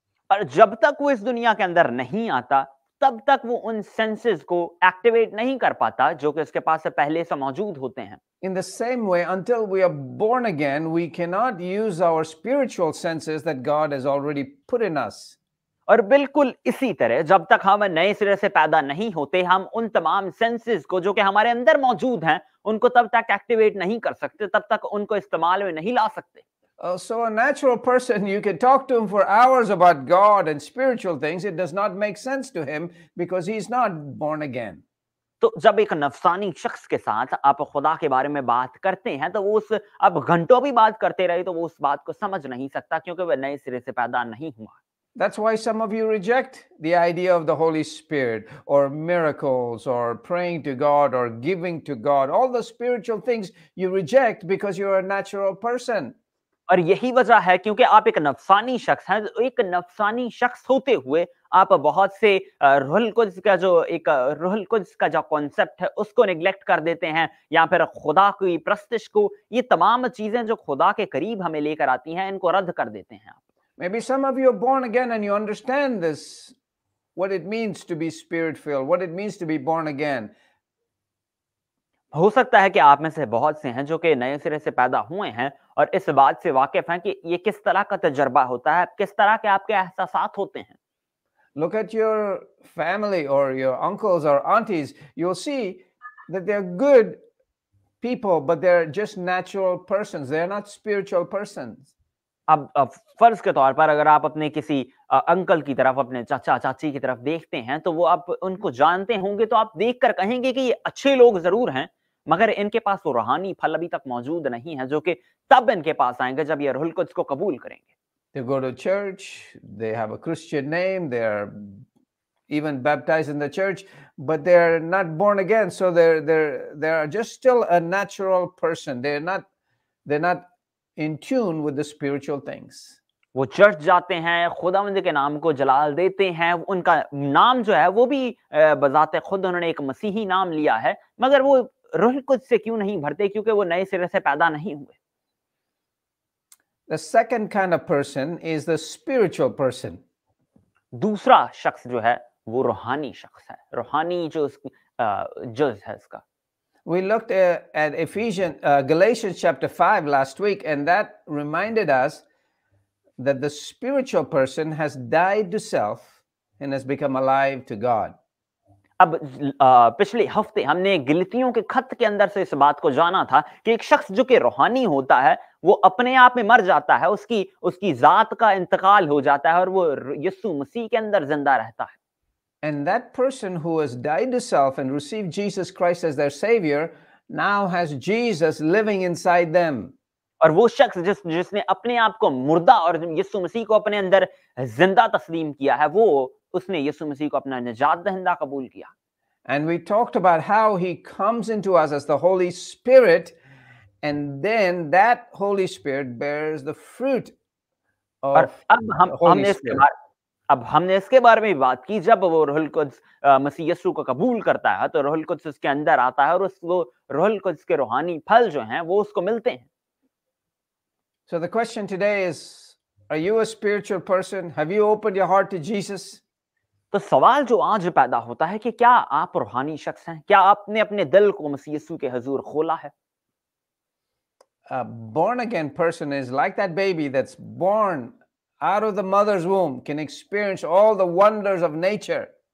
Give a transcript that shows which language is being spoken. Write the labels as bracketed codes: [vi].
[ur] اور جب تک وہ اس دنیا کے اندر نہیں آتا تب تک وہ ان سینسز کو ایکٹیویٹ نہیں کر پاتا جو کہ اس کے پاس سے پہلے سے موجود ہوتے ہیں [en] In the same way, until we are born again, we cannot use our spiritual senses that God has already put in us. [ur] اور بالکل اسی طرح جب تک ہم نئے سرے سے پیدا نہیں ہوتے ہم ان تمام سینسز کو جو کہ ہمارے اندر موجود ہیں ان کو تب تک ایکٹیویٹ نہیں کر سکتے تب تک ان کو استعمال میں نہیں لا سکتے [en] So a natural person, you can talk to him for hours about God and spiritual things. It does not make sense to him because he is not born again. [ur] تو جب ایک نفسانی شخص کے ساتھ آپ خدا کے بارے میں بات کرتے ہیں تو وہ اس اب گھنٹوں بھی بات کرتے رہے تو وہ اس بات کو سمجھ نہیں سکتا کیونکہ وہ نئے سرے سے پیدا نہیں ہوا [en] That's why some of you reject the idea of the Holy Spirit or miracles or praying to God or giving to God. All the spiritual things you reject because you are a natural person. [ur] اور یہی وجہ ہے کیونکہ آپ ایک نفسانی شخص ہیں ایک نفسانی شخص ہوتے ہوئے آپ بہت سے روح القدس کا جو ایک روح القدس کا جو کانسیپٹ ہے اس کو نگلیکٹ کر دیتے ہیں یا پھر خدا کی پرستش کو یہ تمام چیزیں جو خدا کے قریب ہمیں لے کر آتی ہیں ان کو رد کر دیتے ہیں [en] Maybe some of you are born again and you understand this, what it means to be spirit-filled, what it means to be born again. [ur] ہو سکتا ہے کہ آپ میں سے بہت سے ہیں جو کہ نئے سرے سے پیدا ہوئے ہیں اور اس بات سے واقف ہیں کہ یہ کس طرح کا تجربہ ہوتا ہے کس طرح کے آپ کے احساسات ہوتے ہیں [en] Look at your family or your uncles or aunties, you'll see that they're good people, but they're just natural persons. They're not spiritual persons. [ur] اب فرض کے طور پر اگر آپ اپنے کسی انکل کی طرف اپنے چاچا چاچی کی طرف دیکھتے ہیں تو وہ آپ ان کو جانتے ہوں گے تو آپ دیکھ کر کہیں گے کہ یہ اچھے لوگ ضرور ہیں مگر ان کے پاس وہ روحانی پھل ابھی تک موجود نہیں ہے جو کہ تب ان کے پاس آئیں گے جب یہ روح القدس کو قبول کریں گے [en] They go to church, they have a Christian name, they are even baptized in the church, but they are not born again, so they are just still a natural person. They're not in tune with the spiritual things. [ur] وہ church جاتے ہیں خداوند کے نام کو جلال دیتے ہیں ان کا نام جو ہے وہ بھی بذات خود انہوں نے ایک مسیحی نام لیا ہے مگر وہ روح القدس سے کیوں نہیں بھرتے کیونکہ وہ نئے سرے سے پیدا نہیں ہوئے [en] The second kind of person is the spiritual person. [ur] دوسرا شخص جو ہے وہ روحانی شخص ہے روحانی جو اس جز ہے اس کا [en] We looked at Ephesians, Galatians chapter 5 last week, and that reminded us that the spiritual person has died to self and has become alive to God. [ur] اب پچھلے ہفتے ہم نے گلتیوں کے خط کے اندر سے اس بات کو جانا تھا کہ ایک شخص جو کہ روحانی ہوتا ہے وہ اپنے آپ میں مر جاتا ہے اس کی ذات کا انتقال ہو جاتا ہے اور وہ یسوع مسیح کے اندر زندہ رہتا ہے [en] And that person who has died to self and received Jesus Christ as their savior now has Jesus living inside them. [ur] اور وہ شخص جس نے اپنے آپ کو مردہ اور یسوع مسیح کو اپنے اندر زندہ تسلیم کیا ہے وہ اس نے یسوع مسیح کو اپنا نجات دہندہ قبول کیا [en] And we talked about how he comes into us as the Holy Spirit and then that Holy Spirit bears the fruit of [ur] اور اب ہم نے اس کے بارے اب ہم نے اس کے بارے میں بات کی جب وہ روح القدس مسیح یسوع کو قبول کرتا ہے تو روح القدس اس کے اندر آتا ہے اور اس وہ روح القدس کے روحانی پھل جو ہیں وہ اس کو ملتے ہیں [en] So the question today is are you a spiritual person have you opened your heart to Jesus [ur] تو سوال جو آج پیدا ہوتا ہے کہ کیا آپ روحانی شخص ہیں کیا آپ نے اپنے دل کو مسیح یسوع کے حضور کھولا ہے [en] A born again person is like that baby that's born out of the mother's womb can experience all the wonders of nature